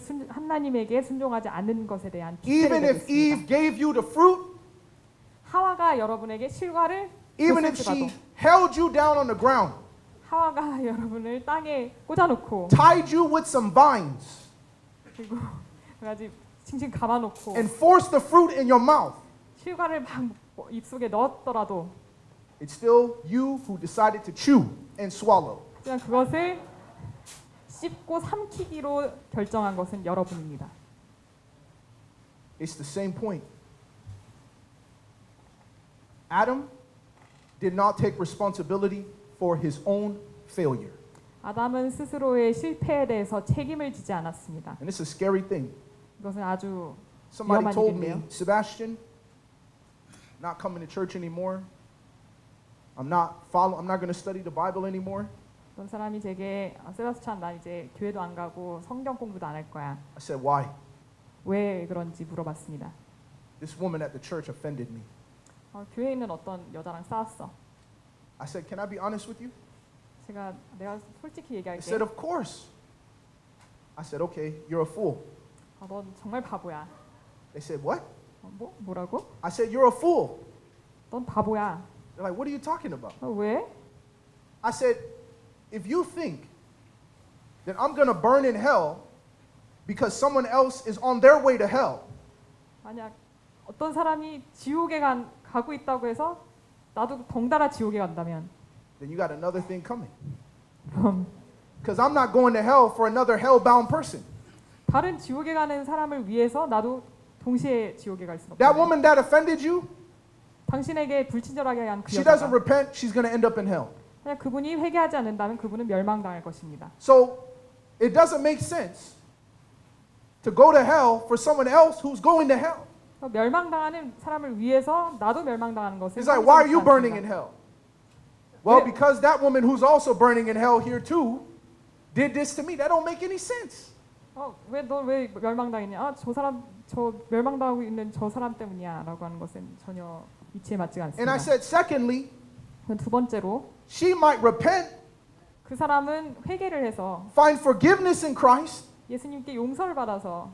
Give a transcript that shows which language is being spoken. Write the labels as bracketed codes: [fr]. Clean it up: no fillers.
[ko] 하나님에게 순종하지 않는 것에 대한. [en] Even if Eve gave you the fruit. [ko] 하와가 여러분에게 실과를. [en] Even if she held you down on the ground. [ko] 하와가 여러분을 땅에 꽂아놓고 [en] tied you with some vines [ko] 그리고 아주 칭칭 감아놓고 [en] and forced the fruit in your mouth [ko] 실과를 입속에 넣었더라도 [en] it's still you who decided to chew and swallow [ko] 그냥 그것을 씹고 삼키기로 결정한 것은 여러분입니다. [en] It's the same point. Adam did not take responsibility for his own failure. [ko] 아담은 스스로의 실패에 대해서 책임을 지지 않았습니다. [en] And it's a scary thing. [ko] 이것은 아주 [en] Somebody told me, Sebastian, not coming to church anymore. I'm not going to study the Bible anymore. [ko] 어떤 사람이 제게 세바스찬 나 이제 교회도 안 가고 성경 공부도 안 할 거야. [en] I said why? [ko] 왜 그런지 물어봤습니다. [en] This woman at the church offended me. [ko] 교회에 있는 어떤 여자랑 싸웠어. [en] I said, can I be honest with you? [ko] 내가 솔직히 얘기할게. [en] I said, of course. I said, okay, you're a fool. [ko] 넌 정말 바보야. [en] They said, what? [ko] 뭐라고? [en] I said, you're a fool. [ko] 넌 바보야. [en] They're like, what are you talking about? [ko] 왜? [en] I said, if you think that I'm going to burn in hell because someone else is on their way to hell. [ko] 만약 어떤 사람이 지옥에 가고 있다고 해서 나도 덩달아 지옥에 간다면 [en] Then you got another thing coming. Cuz I'm not going to hell for another hell-bound person. [ko] 다른 지옥에 가는 사람을 위해서 나도 동시에 지옥에 갈 수 없어. [en] That woman that offended you? [ko] 당신에게 불친절하게 한 그 [en] She doesn't repent, she's going to end up in hell. [ko] 만약 그분이 회개하지 않는다면 그분은 멸망당할 것입니다. [en] So it doesn't make sense to go to hell for someone else who's going to hell. [ko] 멸망당하는 사람을 위해서 나도 멸망당하는 것을 [en] He's like, why are you burning in hell? Well, because that woman who's also burning in hell here too did this to me. That don't make any sense. [ko] 왜 멸망당했냐? 저 멸망당하고 있는 저 사람 때문이야 라고 하는 것은 전혀 이치에 맞지 않습니다. [en] And I said, secondly, [ko] 두 번째로 [en] she might repent [ko] 그 사람은 회개를 해서 [en] find forgiveness in Christ [ko] 예수님께 용서를 받아서